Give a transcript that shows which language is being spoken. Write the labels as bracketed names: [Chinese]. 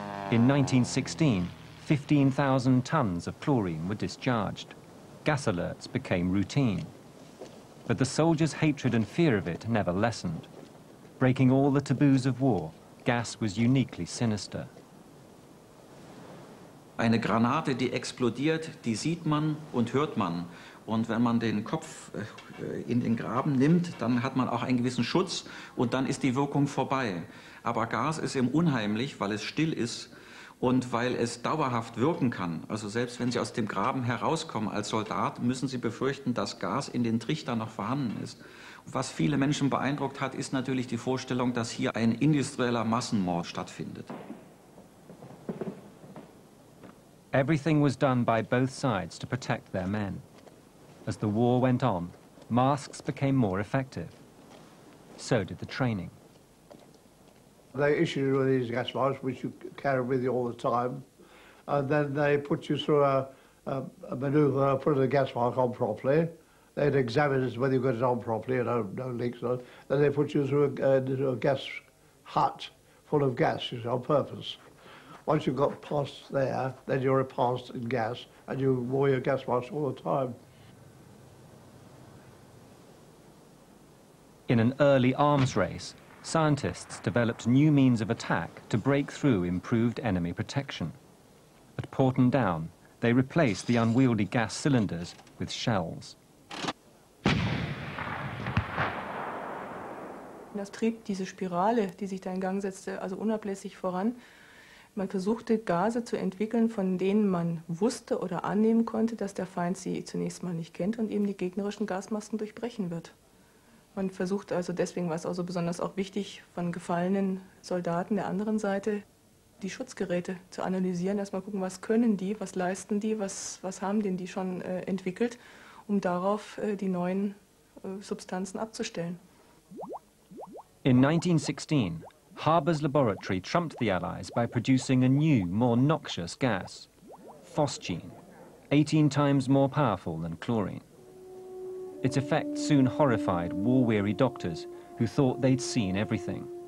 [English] In 1916, 15,000 tons of chlorine were discharged. Gas alerts became routine. But the soldiers' hatred and fear of it never lessened. Breaking all the taboos of war, gas was uniquely sinister. [German] Eine Granate, die explodiert, die sieht man und hört man. Und wenn man den Kopf in den Graben nimmt, dann hat man auch einen gewissen Schutz und dann ist die Wirkung vorbei. Aber Gas ist eben unheimlich, weil es still ist und weil es dauerhaft wirken kann. Also selbst wenn Sie aus dem Graben herauskommen als Soldat, müssen Sie befürchten, dass Gas in den Trichtern noch vorhanden ist. Was viele Menschen beeindruckt hat, ist natürlich die Vorstellung, dass hier ein industrieller Massenmord stattfindet. [English] Everything was done by both sides to protect their men. As the war went on, masks became more effective. So did the training. They issue you with these gas masks, which you carry with you all the time, and then they put you through a maneuver, put the gas mask on properly. They'd examine whether you got it on properly, you know, no leaks. Or, then they put you through a gas hut full of gas, you see, on purpose. Once you've got past there, then you're passed in gas, and you wore your gas mask all the time. In an early arms race, scientists developed new means of attack to break through improved enemy protection. At Porton Down, they replaced the unwieldy gas cylinders with shells. [German] Das trieb diese Spirale, die sich da in Gang setzte, also unablässig voran. Man versuchte, Gase zu entwickeln, von denen man wusste oder annehmen konnte, dass der Feind sie zunächst mal nicht kennt und eben die gegnerischen Gasmasken durchbrechen wird. Man versuchte also, deswegen war es auch so besonders auch wichtig, von gefallenen Soldaten der anderen Seite die Schutzgeräte zu analysieren, erstmal gucken, was können die, was leisten die, was haben denn die schon entwickelt, um darauf die neuen Substanzen abzustellen. [English] In 1916, Harbour's laboratory trumped the Allies by producing a new, more noxious gas, phosgene, 18 times more powerful than chlorine. Its effect soon horrified war-weary doctors who thought they'd seen everything.